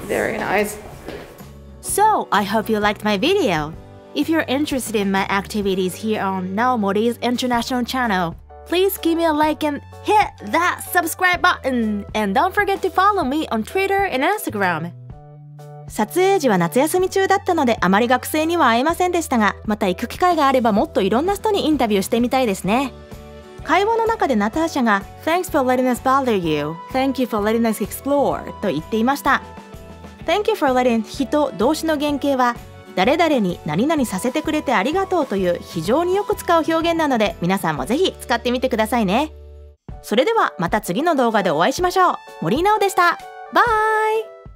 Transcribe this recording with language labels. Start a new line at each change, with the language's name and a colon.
English: Very nice. So, I hope you liked my video. If you're interested in my activities here on Naomori's international channel, please give me a like and hit that subscribe button! And don't forget to follow me on Twitter and Instagram!
Japanese: 撮影時は夏休み中だったので、あまり学生には会えませんでしたが、また行く機会があればもっといろんな人にインタビューしてみたいですね。会話の中でナターシャが
English: Thanks for letting us bother you. Thank you for letting us explore.
Japanese: と言っていました。
English: Thank you for letting
Japanese: 人動詞の原型は誰々に何々させてくれてありがとうという非常によく使う表現なので、皆さんもぜひ使ってみてくださいね。それではまた次の動画でお会いしましょう。森井奈緒でした。バイ。